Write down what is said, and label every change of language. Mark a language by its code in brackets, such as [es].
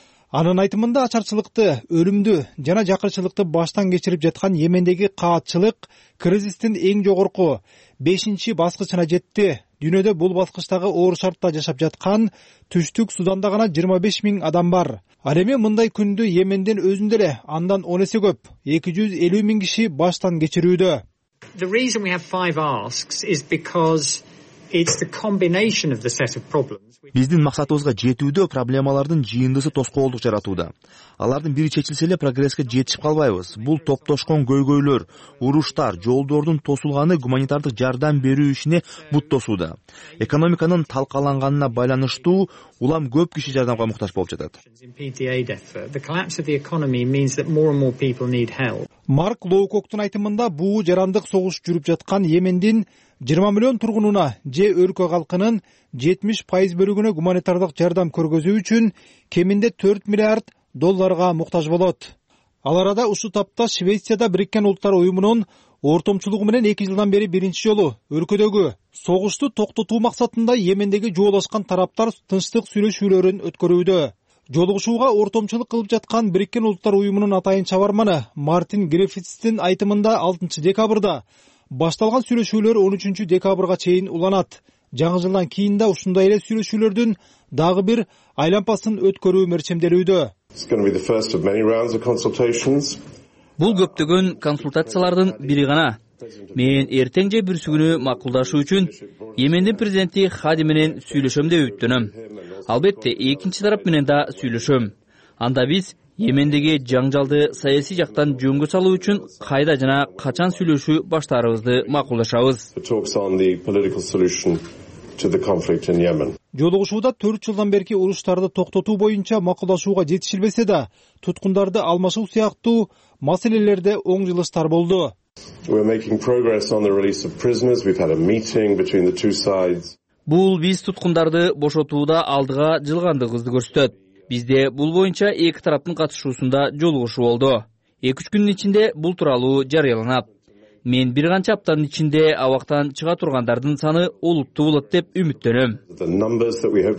[ky] Анын айтымында ачарчылыкты, өлүмдү жана жакырчылыкты баштан кечирип жаткан Йемендеги каатчылык кризистин эң жогорку 5-чи баскычына жетти. Дүйнөдө бул баскычтагы оор шартта жашап жаткан Түштүк Суданда гана 25 000 адам бар. Ал эми мындай күндү Йемендин өзүндө эле андан 10 эсе көп 250 000 киши баштан кечирүүдө. [en] The reason we have 5 asks is because it's the combination of the set of problems. [ky] Биздин максатыбызга жетүүдө проблемалардын жыйындысы тоскоолдук жаратууда. Алардын бири чечилсе эле прогресске жетишип калбайбыз. Бул топтошкон көйгөйлөр, уруштар, жолдордун тосулганы гуманитардык жардам берүү ишине бут тосууда. Экономиканын талкаланганына байланыштуу улам көп киши жардамга муктаж болуп жатат. [en] The collapse of the economy means that more and more people need help. [ky] Марк Лоукоктун айтымында буу жарандык согуш жүрүп жаткан Йемендин 20 миллион тургунуна же өлкө калкынын 70% бөлүгүнө гуманитардык жардам көргөзүү үчүн кеминде 4 миллиард долларга муктаж болот. Ал арада ушул тапта Швецияда Бириккен Улуттар Уюмунун ортомчулугу менен 2 жылдан бери биринчи жолу өлкөдөгү согушту токтотуу максатында Йемендеги жоолашкан тараптар тынчтык сүйлөшүүлөрүн өткөрүүдө. Жолугушууга ортомчулук кылып жаткан Бириккен Улуттар Уюмунун атайын чабарманы Мартин Грифитстин айтымында 6 декабрда башталган сүйлөшүүлөр 13 декабрга чейин уланат. Жаңы жылдан кийин да ушундай эле сүйлөшүүлөрдүн дагы бир айлампасын өткөрүү мерчемделүүдө. [en] It's going to be the first of many rounds of consultations. [ky] Бул көптөгөн консультациялардын бири гана. Мен эртең же бүрсүгүнү макулдашуу үчүн Йемендин президенти Хади менен сүйлөшөм деп үмүттөнөм. Албетте, экинчи тарап менен да сүйлөшөм. Анда биз Йемендеги жаңжалды саясий жактан жөнгө салуу үчүн кайда жана качан сүйлөшүү баштарыбызды макулдашабыз. Жолугушууда 4 жылдан берки уруштарды токтотуу боюнча макулдашууга жетишилбесе да, туткундарды алмашуу сыяктуу маселелерде оң жылыштар болду. [en] We're making progress on the release of prisoners. We've had a meeting between the two sides. [ky] Бул биз туткундарды бошотууда алдыга жылгандыгыбызды көрсөтөт. Бизде бул боюнча эки тараптын катышуусунда жолугушуу болду. 2-3 күндүн ичинде бул тууралуу жарыяланат. Мен бир канча аптанын ичинде абактан чыга тургандардын саны олуттуу болот деп үмүттөнөм.